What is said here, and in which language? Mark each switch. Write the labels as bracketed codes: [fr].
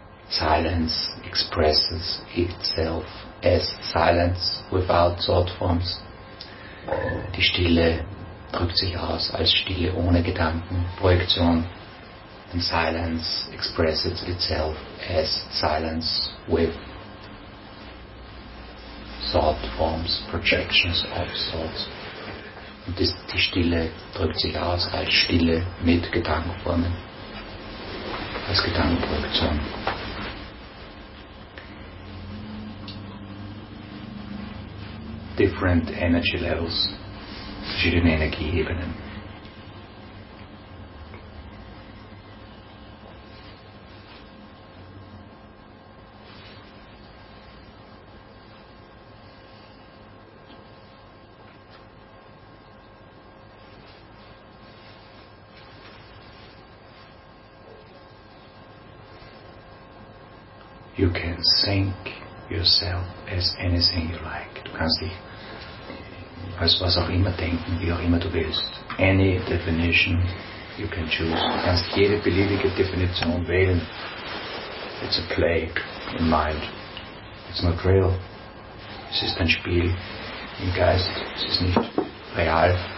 [en] Silence expresses itself as silence without thought forms. [de] Die Stille drückt sich aus als Stille ohne Gedanken, Projektion. [en] And silence expresses itself as silence with thought forms, projections of thoughts. [de] Und die Stille drückt sich aus als Stille mit Gedankenformen, als Gedankenprojektion. [en] Different energy levels, [de] verschiedene Energieebenen. [en] You can think yourself as anything you like. [de] Du kannst dich als was auch immer denken, wie auch immer du willst. [en] Any definition you can choose. [de] Du kannst jede beliebige Definition wählen. [en] It's a play in mind. It's not real. [de] Es ist ein Spiel im Geist. Es ist nicht real.